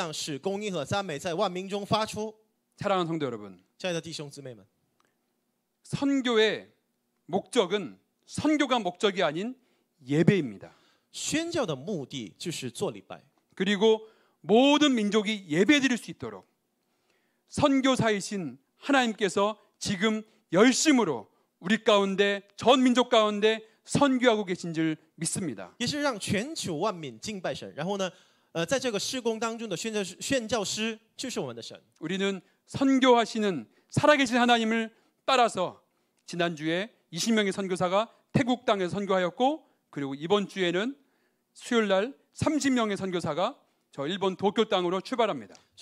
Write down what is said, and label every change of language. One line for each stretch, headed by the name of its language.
Chinese: 世界就说天地怎样使百谷发芽，原子怎样使所种的发生，主耶和华必照样使公义和赞美在万民中发出。
Korean: 사랑하는 성도 여러분,
Chinese: 亲爱的弟兄姊妹们,
Korean: 선교의 목적은 선교가 목적이 아닌 예배입니다.
Chinese: 宣教的目的就是做礼拜.
Korean: 그리고 모든 민족이 예배드릴 수 있도록 선교사이신 하나님께서 지금 열심으로 우리 가운데 전 민족 가운데 선교하고 계신 줄 믿습니다.
Chinese: 也是让全球万民敬拜神，然后呢，在这个事工当中的宣教师就是我们的神。
Korean: 우리는 선교하시는 살아계신 하나님을 따라서 지난주에 20명의 선교사가 태국 땅에서 선교하였고 그리고 이번 주에는 수요일 날 30명의 선교사가 저 일본 도쿄 땅으로 출발합니다.